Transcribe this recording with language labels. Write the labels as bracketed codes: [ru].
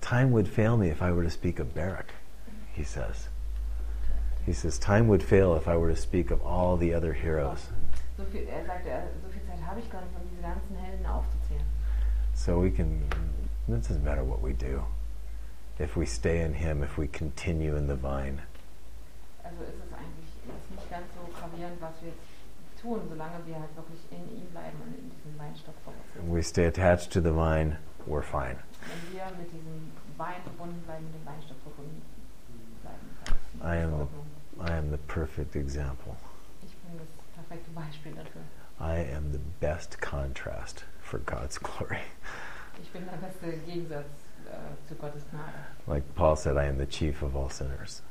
[en] Time would fail me if I were to speak of Barak, he says. He says, time would fail if I were to speak of all the other heroes. [de] So viel Zeit habe ich gar nicht, um diese ganzen Helden aufzuzählen. [en] So we can, it doesn't matter what we do. If we stay in him, if we continue in the vine. [de] Also ist es eigentlich nicht ganz so gravierend, was wir jetzt tun, solange wir halt wirklich in ihm bleiben und in diesem Weinstock verwurzeln. [en] We stay attached to the vine, we're fine. [de] Wenn wir mit diesem Wein verbunden bleiben, mit dem Weinstock verbunden bleiben, [en] I am the perfect example. [de] Ich bin das perfekte Beispiel dafür. [en] I am the best contrast for God's glory. [de] Ich bin der beste Gegensatz zu Gottes Gnade. [en] Like Paul said, I am the chief of all sinners.